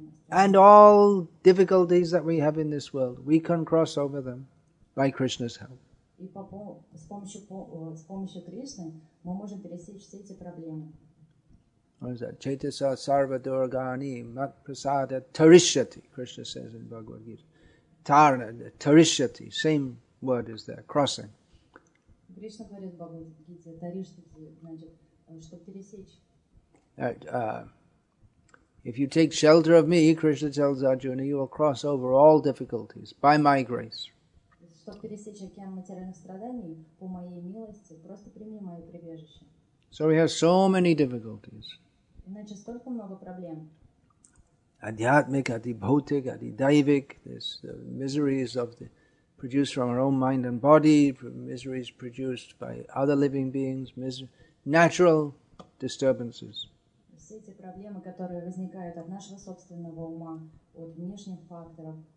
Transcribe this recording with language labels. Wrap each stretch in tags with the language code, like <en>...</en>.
<en>And all difficulties that we have in this world, we can cross over them by Krishna's help.</en> <ru>И с помощью Кришны мы можем пересечь все эти проблемы.</ru> <en>What is that?</en> <sa>Chetasa sarva durgani mat prasada tarishyati.</sa> <en>Krishna says in Bhagavad Gita. Tarna, tarishyati. Same word is there. Crossing.</en> <ru>Кришна говорит в Бхагавад Гите, тарищати, значит, чтобы пересечь.</ru> <en>If you take shelter of me, Krishna tells Arjuna, you will cross over all difficulties by my grace.</en> <ru>Чтобы пересечь океан материальных страданий, по моей милости, просто прими мое прибежище.</ru> <en>So we have so many difficulties.</en> <ru>Иначе столько много проблем.</ru> <en>Adhyatmik, adhibhautik, adhidaivik, there's the miseries of the produced from our own mind and body, miseries produced by other living beings, natural disturbances.</en> <ru>Все эти проблемы, которые возникают от нашего собственного ума, от внешних факторов.</ru>